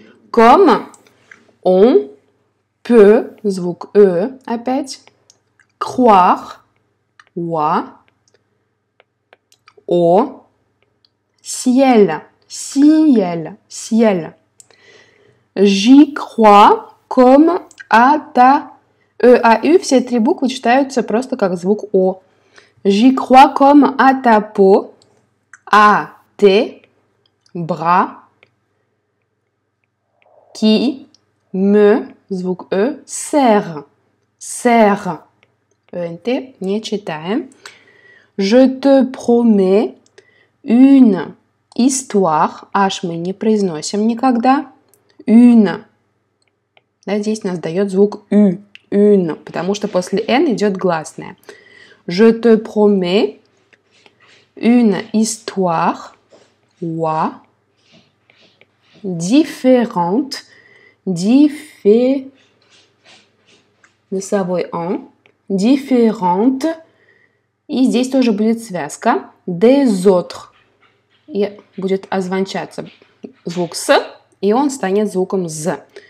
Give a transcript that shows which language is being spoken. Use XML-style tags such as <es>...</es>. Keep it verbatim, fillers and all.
<fr>Comme on peut,</fr> <ru>звук «э» опять,</ru> <fr>croire, «уа», «о», «ciel», «ciel», «ciel». J'y crois comme à ta...</fr> <ru>«Э», «а», «ю» все три буквы читаются просто как звук «о».</ru> <fr>J'y crois comme à ta peau, à tes bras, qui me,</fr> <ru>звук «э»,</ru> <fr>serre, serre, «nt»</fr> <ru>не читаем.</ru> <fr>Je te promets une histoire, «h»</fr> <ru>мы не произносим никогда,</ru> <fr>«une».</fr> <ru>Да, здесь нас дает звук «ю», «une», потому что после «n» идет гласная.</ru> <fr>Je te promets une histoire ouah, différente,</fr> <ru>diffé, носовой «ан», différente, и здесь тоже будет связка</ru> <fr>des autres,</fr> <ru>и будет озвончаться звук «с», и он станет звуком «з».</ru>